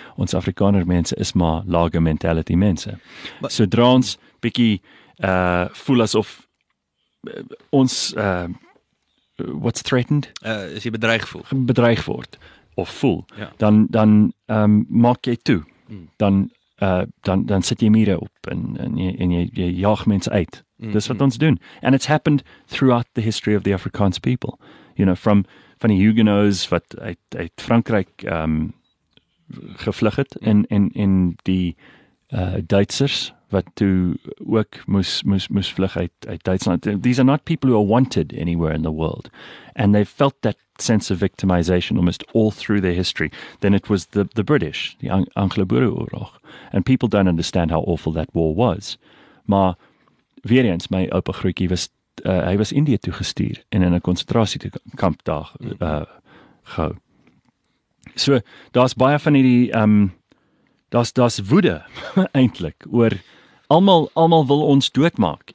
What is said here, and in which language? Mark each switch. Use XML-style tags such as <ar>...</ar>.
<af>Ons Afrikaner mense is maar lager mentality mense. Maar, sodra ons bietjie voel asof ons</af> <en>what's threatened?</en> <af>As jy bedreig voel. Bedreig word of voel, ja. dan maak jy toe. Dan sit jy mure op en jy jaag mense uit. Dis wat ons doen.</af> <en>And it's happened throughout the history of the Afrikaans people. You know, from the Huguenots</en> <af>wat uit Frankryk gevlug het en die Duitsers wat toe ook moes vlug uit Duitsland.</af> <en>These are not people who are wanted anywhere in the world. And they felt that sense of victimization almost all through their history. Then it was the British, the Anglo-Boereoorlog. And people don't understand how awful that war was.</en> <af>Maar weer eens, my oupa Groetjie was, hy was Indië toe gestuur en in 'n konsentrasiekamp daar gehou. So, daar's baie van hierdie, daar's woede, eintlik, oor almal wil ons doodmaak.</af>